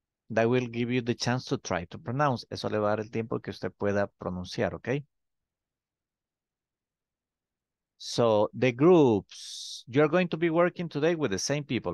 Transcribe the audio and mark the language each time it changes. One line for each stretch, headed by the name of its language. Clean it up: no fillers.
English: That will give you the chance to try to pronounce.
Spanish: Eso le va a dar el tiempo que usted pueda pronunciar, okay?
English: So the groups, you're going to be working today with the same people.